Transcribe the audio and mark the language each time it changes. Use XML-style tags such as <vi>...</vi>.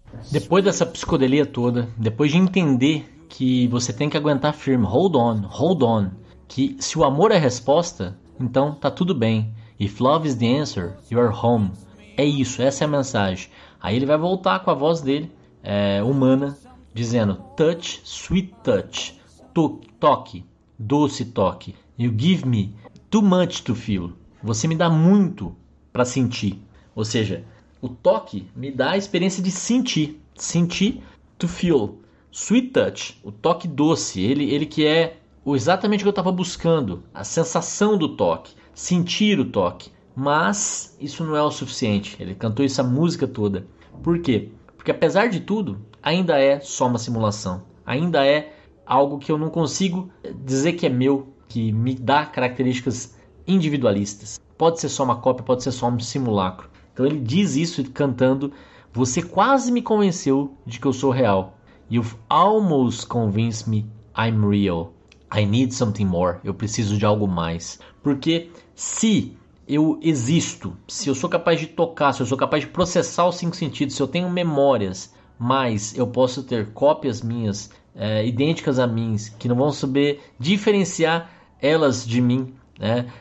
<pt>depois dessa psicodelia toda, depois de entender que você tem que aguentar firme,</pt> <en>hold on, hold on,</en> <pt>que se o amor é a resposta, então tá tudo bem.</pt> <en>If love is the answer, you're home.</en> <pt>É isso, essa é a mensagem. Aí ele vai voltar com a voz dele, humana, dizendo</pt> <en>touch, sweet touch,</en> <pt>toque, doce toque.</pt> <en>You give me too much to feel.</en> <pt>Você me dá muito para sentir. Ou seja, o toque me dá a experiência de sentir. Sentir</pt> <en>to feel. Sweet touch,</en> <pt>o toque doce. Ele que é exatamente o que eu estava buscando. A sensação do toque. Sentir o toque. Mas isso não é o suficiente. Ele cantou essa música toda. Por quê? Porque apesar de tudo, ainda é só uma simulação. Ainda é algo que eu não consigo dizer que é meu. Que me dá características individualistas. Pode ser só uma cópia, pode ser só um simulacro. Então ele diz isso cantando: você quase me convenceu de que eu sou real.</pt> <en>You've almost convinced me I'm real. I need something more.</en> <pt>Eu preciso de algo mais. Porque se eu existo, se eu sou capaz de tocar, se eu sou capaz de processar os cinco sentidos, se eu tenho memórias, mas eu posso ter cópias minhas, idênticas a mim, que não vão saber diferenciar elas de mim, né?</pt>